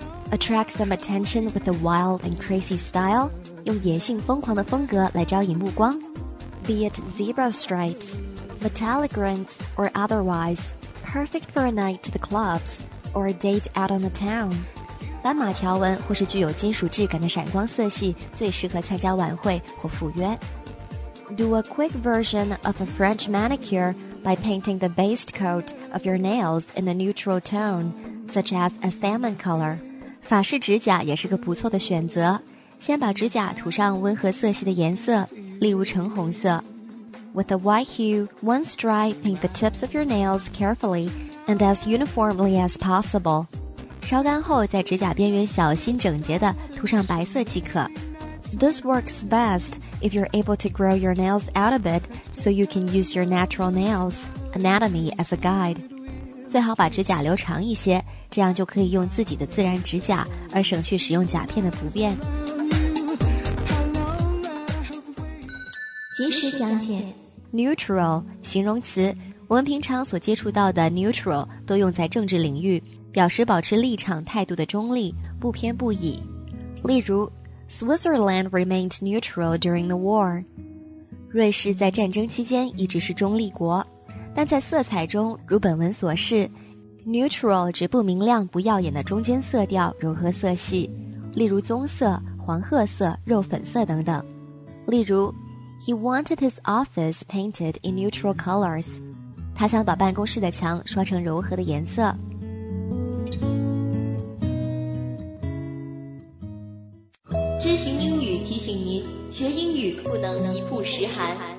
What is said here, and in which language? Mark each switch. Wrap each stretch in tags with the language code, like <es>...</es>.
<en>Attract some attention with a wild and crazy style，</en> <zh>用野性疯狂的风格来招引目光。</zh> <en>Be it zebra stripesMetallic rings or otherwise, perfect for a night to the clubs or a date out on the town.</en> <zh>斑马条纹或是具有金属质感的闪光色系最适合参加晚会或赴约。</zh> <en>Do a quick version of a French manicure by painting the base coat of your nails in a neutral tone, such as a salmon color.</en> <zh>法式指甲也是个不错的选择，先把指甲涂上温和色系的颜色，例如橙红色。</zh> <en>With a white hue, one stripe, paint the tips of your nails carefully and as uniformly as possible.</en> <zh>烧干后在指甲边缘小心整洁地涂上白色即可。</zh> <en>This works best if you're able to grow your nails out a bit so you can use your natural nails, anatomy as a guide.</en> <zh>最好把指甲留长一些，这样就可以用自己的自然指甲，而省去使用甲片的不便。及时讲解 Neutral 形容词，我们平常所接触到的 neutral 都用在政治领域，表示保持立场态度的中立，不偏不倚。</zh> <en>例如 Switzerland remained neutral during the war.</en> <zh>瑞士在战争期间一直是中立国，但在色彩中如本文所示， neutral 指不明亮不耀眼的中间色调融合色系，例如棕色、黄褐色、肉粉色等等。</zh> <en>例如He wanted his office painted in neutral colors.</en> <zh>他想把办公室的墙刷成柔和的颜色。知行英语提醒您，学英语不能一步十寒。</zh>